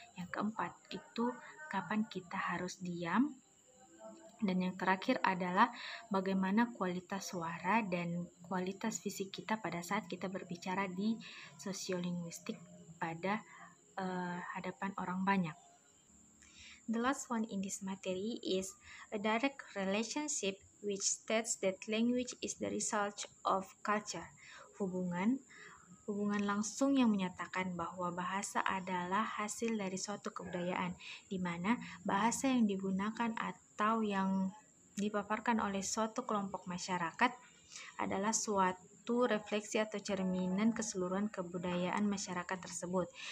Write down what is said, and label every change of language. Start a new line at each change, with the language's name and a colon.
Indonesian: Yang keempat itu kapan kita harus diam. Dan yang terakhir adalah bagaimana kualitas suara dan kualitas fisik kita pada saat kita berbicara di sosiolinguistik pada hadapan orang banyak.
English: The last one in this materi is a direct relationship which states that language is the result of culture.
Indonesian: Hubungan langsung yang menyatakan bahwa bahasa adalah hasil dari suatu kebudayaan, di mana bahasa yang digunakan atau yang dipaparkan oleh suatu kelompok masyarakat adalah suatu refleksi atau cerminan keseluruhan kebudayaan masyarakat tersebut.